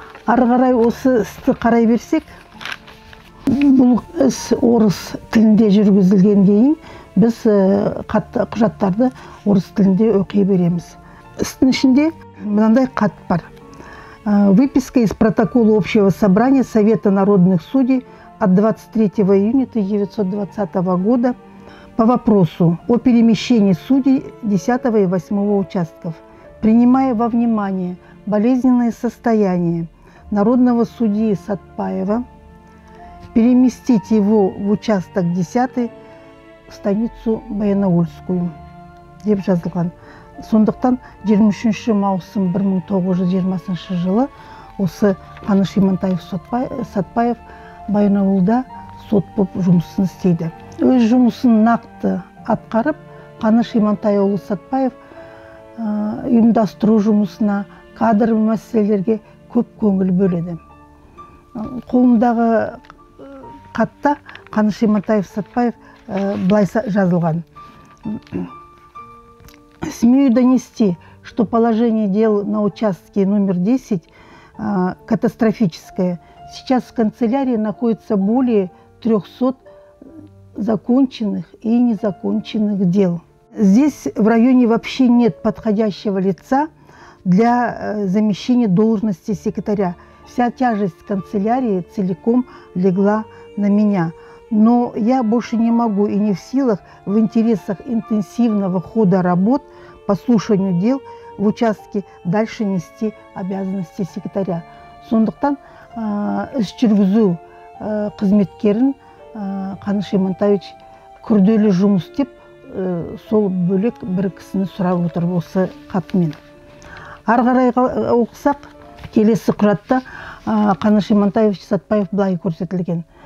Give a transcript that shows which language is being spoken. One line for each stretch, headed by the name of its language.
Kazakh: Ары қарай осы істі қарай берсек, бұл іс орыс тілінде жүргізілген дейін, біз құжаттарды орыс тілінде оқи береміз. Істің ішінде мынандай қат бар.
Russian: Выписка из протокола общего собрания Совета народных судей от 23 июня 1920 года по вопросу о перемещении судей 10 и 8 участков, принимая во внимание болезненное состояние народного судьи Сатпаева, переместить его в участок 10 в станицу Баянаульскую.
Kazakh: Деп жазылған. Сондықтан 23 маусым 1920 жылы осы Қаныш Имантайұлы Сатпаев Баянауылда сот боп жұмысын істейді. Өз жұмысын нақты атқарып, Қаныш Имантайұлы Сатпаев ұйымдастыру жұмысына, кадр мәселелерге көп көңіл бөледі. Қолымдағы қатта Қаныш Имантайұлы Сатпаев былай жазылған.
Russian: Смею донести, что положение дел на участке номер 10 катастрофическое. Сейчас в канцелярии находится более 300 законченных и незаконченных дел. Здесь в районе вообще нет подходящего лица для замещения должности секретаря. Вся тяжесть канцелярии целиком легла на меня. Но я больше не могу и не в силах в интересах интенсивного хода работ по слушанию дел в участке дальше нести обязанности секретаря.
Kazakh: Сондықтан іс жүргізу қызметкерін Қаныш Имантайұлы күрделі жұмыс деп сол бөлек бір кісіні сұрап отыр осы қатымен. Ары қарай оқысақ, келесі құжатта Қаныш Имантайұлы Сатпаев былай көрсетілген.